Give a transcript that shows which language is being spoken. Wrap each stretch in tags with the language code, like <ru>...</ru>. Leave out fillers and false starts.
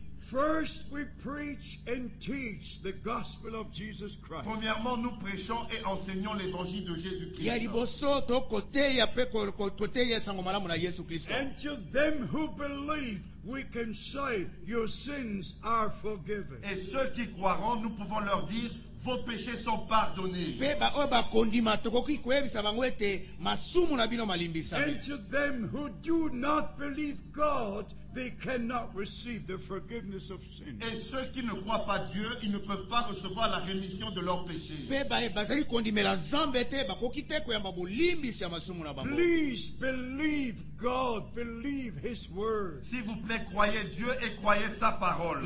<en>first we preach and teach the gospel of Jesus Christ.</en> <fr>Premièrement, nous prêchons et enseignons l'évangile de Jésus Christ.</fr> <en>And to them who believe, we can say, your sins are forgiven.</en> <fr>Et ceux qui croiront, nous pouvons leur dire, vos péchés sont pardonnés.</fr> <en>And to them who do not believe God, they cannot receive the forgiveness of sins.</en> <fr>Et ceux qui ne croient pas Dieu, ils ne peuvent pas recevoir la rémission de leurs péchés.</fr> <en>Please believe God, believe His word.</en> <fr>S'il vous plaît, croyez Dieu et croyez sa parole.</fr>